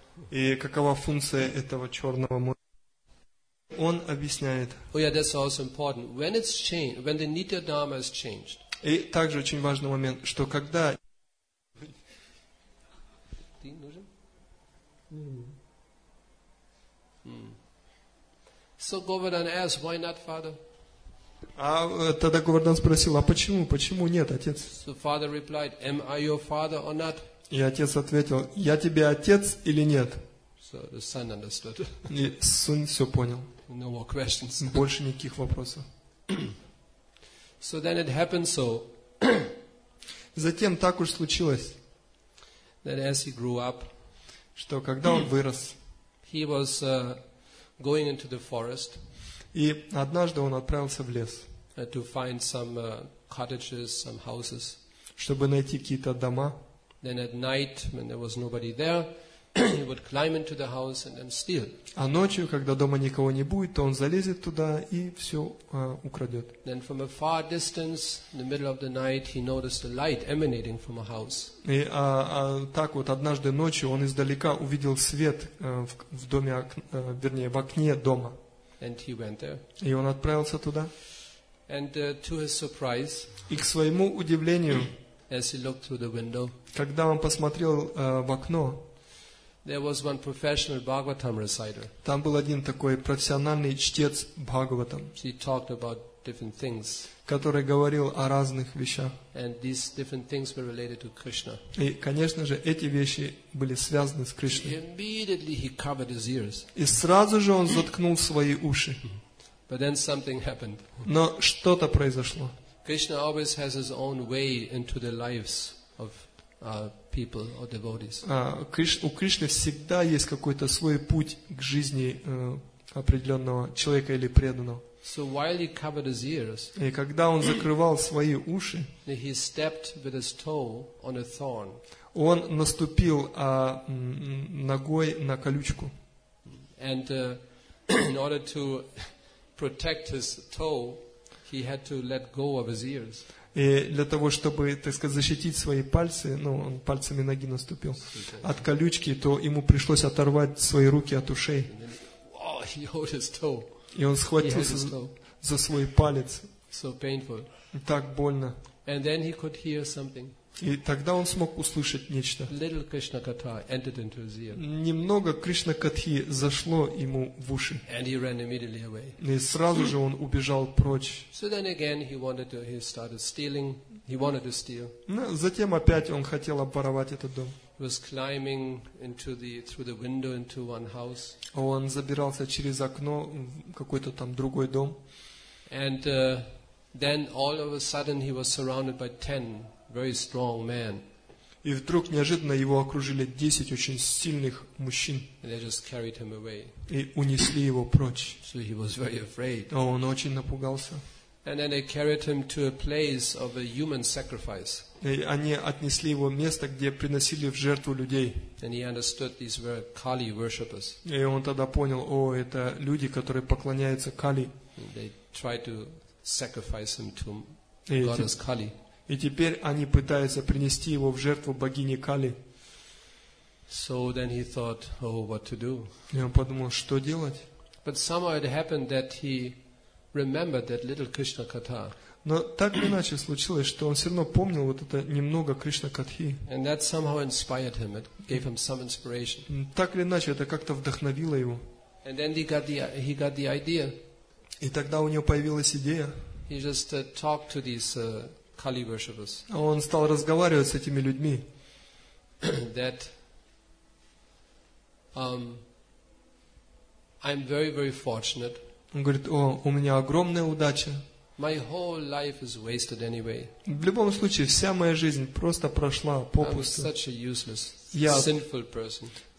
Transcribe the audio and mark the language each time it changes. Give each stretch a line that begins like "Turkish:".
Russian: И какова функция этого черного моря? Он объясняет.
English: Oh yeah, that's also important. When it's changed, when the nitya dharma has changed.
Russian: И также очень важный момент, что когда. Ты нужен?
English: So Govardhan asked, why not, father?
Russian: А тогда Говардан спросил, а почему? Почему нет, отец?
English: So father replied, am I your father or not?
Russian: И отец ответил, я тебе отец или нет?
English: So the son understood.
Russian: И сын все понял.
English: No more questions.
Russian: Больше никаких вопросов.
English: So then it happened so.
Russian: Затем так уж случилось,
English: that as he grew up,
Russian: что когда он вырос,
English: he was going into the forest,
Russian: и однажды он отправился в лес,
English: to find some cottages, some houses,
Russian: чтобы найти какие-то дома.
English: Then at night, when there was nobody there, he would climb into the house and then steal.
Russian: А ночью, когда дома никого не будет, то он залезет туда и все украдет.
English: Then from a far distance, in the middle of the night, he noticed a light emanating from a house.
Russian: И так вот однажды ночью он издалека увидел свет в доме, вернее, в окне дома.
English: And he went there.
Russian: И он отправился туда.
English: And to his surprise,
Russian: и к своему удивлению,
English: as he looked through the window,
Russian: когда он посмотрел в окно,
English: there was one professional Bhagavatam reciter.
Russian: Там был один такой профессиональный чтец Бхагаватам.
English: He talked about different things.
Russian: Который говорил о разных вещах.
English: And these different things were related to Krishna.
Russian: И, конечно же, эти вещи были связаны с Кришной.
English: Immediately he covered his ears.
Russian: И сразу же он заткнул свои уши.
English: But then something happened.
Russian: Но что-то произошло.
English: Krishna always has his own way into the lives of people or devotees.
Russian: У Кришны всегда есть какой-то свой путь к жизни определенного человека или преданного.
English: So while he covered his ears,
Russian: и когда он закрывал свои уши,
English: he stepped with his toe on a thorn.
Russian: Он наступил ногой на колючку.
English: And in order to protect his toe, he had to let go of his ears.
Russian: И для того, чтобы, так сказать, защитить свои пальцы, ну, он пальцами ноги наступил, от колючки, то ему пришлось оторвать свои руки от ушей. И он схватился за свой палец.
English: So painful.
Russian: Так больно.
English: And then he could hear something.
Russian: И тогда он смог услышать нечто.
English: Little Krishna Katha entered into his ear.
Russian: Немного Кришна Катхи зашло ему в уши.
English: And he ran immediately away.
Russian: И сразу же он убежал прочь.
English: So then again he wanted to, he started stealing. He wanted to steal.
Russian: Ну, затем опять он хотел обворовать этот дом.
English: He was climbing into the, through the window into one house.
Russian: Он забирался через окно в какой-то там другой дом.
English: And then all of a sudden he was surrounded by 10 very strong man.
Russian: И вдруг неожиданно его окружили 10 очень сильных мужчин.
English: And they just carried him away.
Russian: И унесли его прочь.
English: So he was very afraid.
Russian: Он очень напугался.
English: And then they carried him to a place of a human sacrifice.
Russian: И они отнесли его в место, где приносили в жертву людей.
English: And he understood these were Kali worshippers.
Russian: И он тогда понял, о, это люди, которые поклоняются Кали.
English: They tried to sacrifice him to goddess Kali.
Russian: И теперь они пытаются принести его в жертву богине Кали.
English: So then he thought, oh, what to do?
Russian: И он подумал, что делать?
English: But somehow it happened that he remember that little Krishna katha.
Russian: Но так или иначе случилось, что он все равно помнил вот это немного Кришна Катхи.
English: And that somehow inspired him. It gave him some inspiration.
Russian: Так или иначе, это как-то вдохновило его.
English: And then he got the idea.
Russian: И тогда у него появилась идея.
English: He just talked to these Kali worshippers.
Russian: Он стал разговаривать с этими людьми.
English: That I'm very, very fortunate.
Russian: Он говорит, о, у меня огромная удача.
English: My whole life is wasted anyway.
Russian: В любом случае, вся моя жизнь просто прошла попусту.
English: I'm such a useless, sinful person.